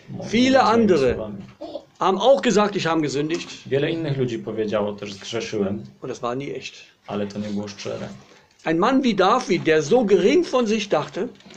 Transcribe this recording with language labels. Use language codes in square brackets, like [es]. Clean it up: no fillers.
[de] Viele andere haben auch gesagt, ich habe gesündigt. [pl] Wiele innych ludzi powiedziało też, zgrzeszyłem. [de] Und das war nie echt. [pl] Ale to nie było szczere. [de] Ein Mann wie David, der so gering von sich dachte,